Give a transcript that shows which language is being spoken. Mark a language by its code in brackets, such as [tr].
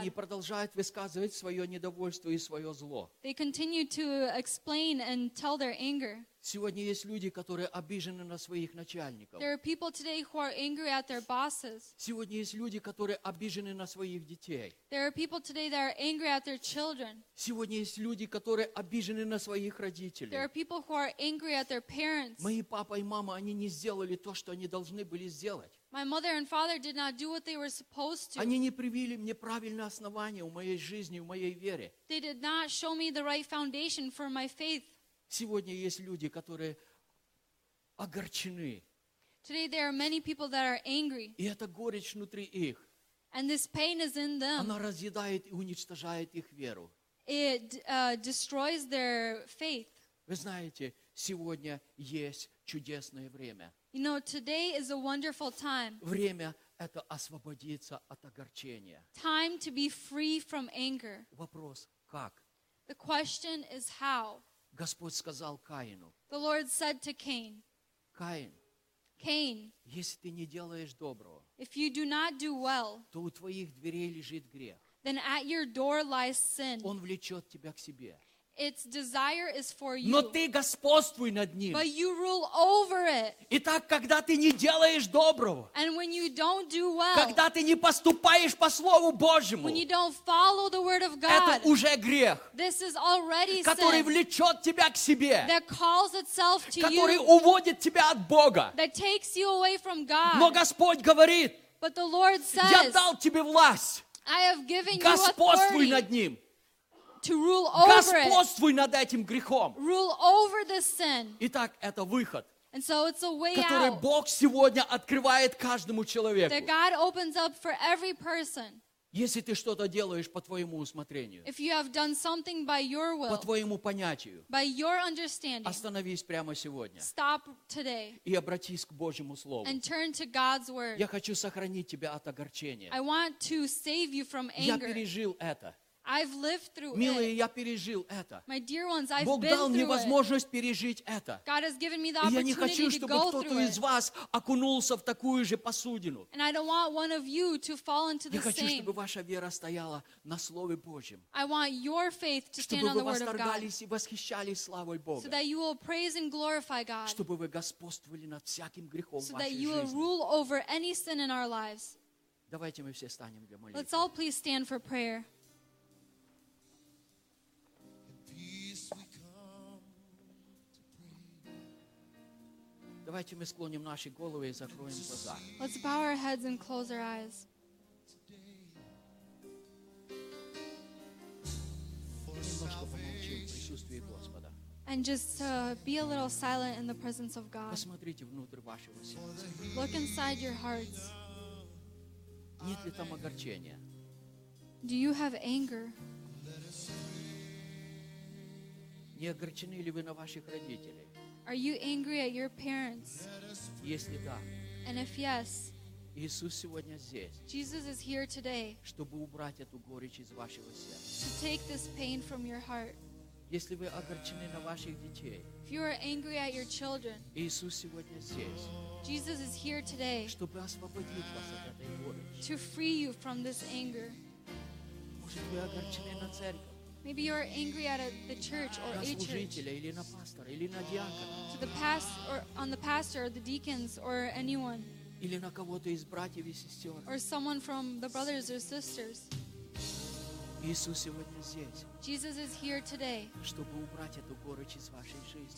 [ru] Они продолжают высказывать свое недовольство и свое зло. [en] They continue to explain and tell their anger. [ru] Сегодня есть люди, которые обижены на своих начальников. [en] There are people today who are angry at their bosses. [ru] Сегодня есть люди, которые обижены на своих детей. [en] There are people today that are angry at their children. [ru] Сегодня есть люди, которые обижены на своих родителей. [en] There are people who are angry at their parents. [ru] Мои папа и мама, они не сделали то, что они должны были сделать. [en] My mother and father did not do what they were supposed to. [ru] Они не привили мне правильное основание в моей жизни, в моей вере. [en] They did not show me the right foundation for my faith. [ru] Сегодня есть люди, которые огорчены. [en] Today there are many people that are angry. [ru] И это горечь внутри их. [en] And this pain is in them. [ru] Она разъедает и уничтожает их веру. [en] It destroys their faith. [ru] Вы знаете, сегодня есть чудесное время. [en] You know, today is a wonderful time. [ru] Время – это освободиться от огорчения. [en] Time to be free from anger. [ru] Вопрос – как? [en] The question is how? [ru] Господь сказал Каину. [en] The Lord said to Cain. [ru] Каин. [en] Cain. [ru] Если ты не делаешь доброго, [en] if you do not do well, [ru] то у твоих дверей лежит грех. [en] Then at your door lies sin. [ru] Он влечет тебя к себе. [en] Its desire is for you. [ru] Но ты господствуй над ним. [en] But you rule over it. [ru] Итак, когда ты не делаешь доброго, [en] and when you don't do well, [ru] когда ты не поступаешь по слову Божьему, [en] when you don't follow the word of God, [ru] это уже грех, [en] this is already sin, [ru] который влечет тебя к себе, [en] that calls itself to [ru] который [en] you, [ru] уводит тебя от Бога, [en] that takes you away from God. [ru] Но Господь говорит, [en] but the Lord says, [ru] я дал тебе власть, [en] I have given [ru] господствуй [en] you authority. [ru] Над ним. [en] to rule over it. [ru] Господствуй над этим грехом. [en] Rule over this sin. [ru] Итак, это выход. [en] And so it's a way out. [ru] Который Бог сегодня открывает каждому человеку. [en] That God opens up for every person. [ru] Если ты что-то делаешь по твоему усмотрению. [en] If you have done something by your will. [ru] По твоему понятию. [en] By your understanding. [ru] Остановись прямо сегодня. [en] Stop today. [ru] И обратись к Божьему слову. [en] And turn to God's word. [ru] Я хочу сохранить тебя от огорчения. [en] I want to save you from anger. [ru] Я пережил это. [en] I've lived through [ru] Милые, [en] it. [ru] Я пережил это. [en] My dear ones, I've [ru] Бог [en] been [ru] дал мне возможность пережить это. [en] God has given me the opportunity [ru] не хочу, [en] to go through it. [ru] Чтобы кто-то из вас окунулся в такую же посудину. [en] And I don't want one of you to fall into the [ru] я хочу, [en] same. [ru] Чтобы ваша вера стояла на Слове Божьем. [en] I want your faith to stand on the word of God. [ru] Чтобы вы восторгались и восхищались славой Бога. [en] So that you will praise and glorify God. [ru] Чтобы вы господствовали над всяким грехом вашей жизни. [en] So that you will rule over any sin in our lives. [ru] Давайте мы все станем для молитвы. [en] Let's all please stand for prayer. [ru] Давайте мы склоним наши головы и закроем глаза. [en] Let's bow our heads and close our eyes. [ru] Немножко помолчим в присутствии Господа. [en] And just to be a little silent in the presence of God. [ru] Посмотрите внутрь вашего сердца. [en] Look inside your hearts. [ru] Нет ли там огорчения? [en] Do you have anger? [ru] Не огорчены ли вы на ваших родителей? [en] Are you angry at your parents? [ru] Если да. [en] And if yes. [ru] Иисус сегодня здесь. [en] Jesus is here today. [ru] Чтобы убрать эту горечь из вашего сердца. [en] To take this pain from your heart. [ru] Если вы огорчены на ваших детей. [en] If you are angry at your children. [ru] Иисус сегодня здесь. [en] Jesus is here today. [ru] Чтобы освободить вас от этой горечи. [en] To free you from this anger. [ru] Может, вы огорчены на церковь. [en] Maybe you are angry at the church or a church. [ru] Или на пастора, или на диакона. [en] To the pastor, on the pastor, or the deacons, or anyone. [ru] Или на кого-то из братьев и сестер. [en] Or someone from the brothers or sisters. [ru] Иисус сегодня здесь. [en] Jesus is here today. [ru] Чтобы убрать эту горечь из вашей жизни.